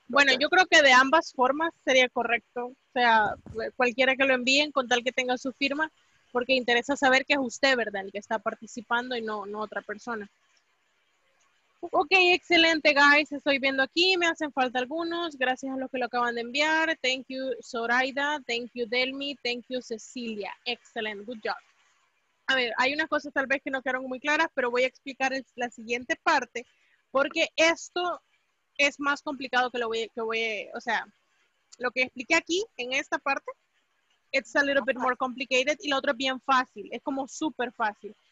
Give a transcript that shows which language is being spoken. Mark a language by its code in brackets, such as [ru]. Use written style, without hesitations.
[es] Bueno, yo creo que de ambas formas sería correcto, o sea, cualquiera que lo envíen con tal que tenga su firma, porque interesa saber que es usted, ¿verdad?, el que está participando y no otra persona. Ok, excelente, guys, estoy viendo aquí, me hacen falta algunos, gracias a los que lo acaban de enviar. [en] Thank you, Zoraida, thank you, Delmi, thank you, Cecilia, excellent, good job. [es] A ver, hay unas cosas tal vez que no quedaron muy claras, pero voy a explicar la siguiente parte, porque esto... es más complicado que lo que expliqué aquí, en esta parte, [en] it's a little bit more complicated, [es] y lo otro es bien fácil, es como súper fácil.